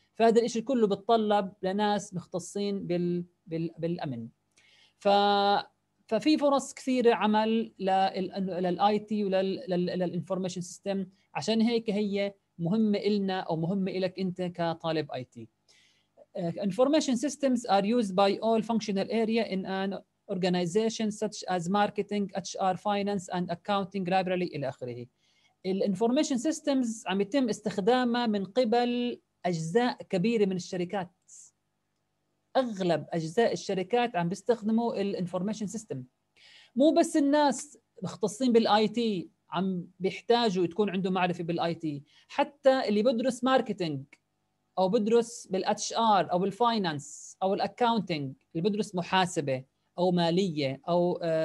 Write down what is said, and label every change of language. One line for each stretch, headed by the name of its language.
Arabic: فهذا الإشي كله بتطلب لناس مختصين بالأمن. ففي فرص كثيرة عمل للآي تي وللإنفورميشن سيستم، عشان هيك هي مهمة إلنا أو مهمة إلك أنت كطالب آي تي.
English: Information systems are used by all functional area in an organization such as marketing, HR, finance and accounting library
Arabic: إلى آخره. الانفورميشن سيستمز عم يتم استخدامها من قبل أجزاء كبيرة من الشركات، أغلب أجزاء الشركات عم بيستخدموا الانفورميشن سيستم. مو بس الناس مختصين بالآي تي عم بيحتاجوا تكون عندهم معرفة بالآي تي، حتى اللي بدرس ماركتينج أو بدرس بالأتش آر أو الفاينانس أو الأكاونتينج، اللي بدرس محاسبة أو مالية أو